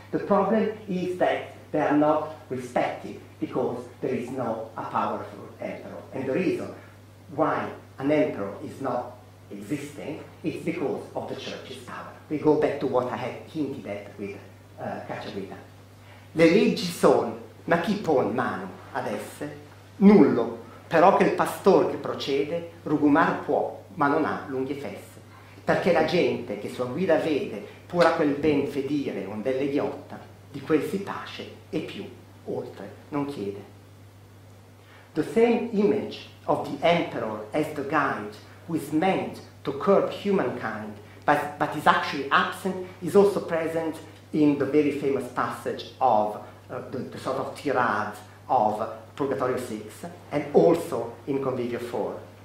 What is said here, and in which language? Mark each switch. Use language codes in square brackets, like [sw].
[en] The problem is that they are not respected because there is not a powerful emperor. And the reason why an emperor is not existing is because of the church's power. We go back to what I had hinted at with Caccialvita. [it] Le leggi son, ma chi pon mano ad esse? Nullo, però che il pastor che procede rugumar può, ma non ha lunghe feste. Perché la gente che sua guida vede pur a quel ben fedire onde è ghiotta, di quel si pace e più oltre non chiede. [en] The same image of the emperor as the guide who is meant to curb humankind but is actually absent is also present in the very famous passage of the sort of tirade of Purgatorio 6 and also in Convivio 4.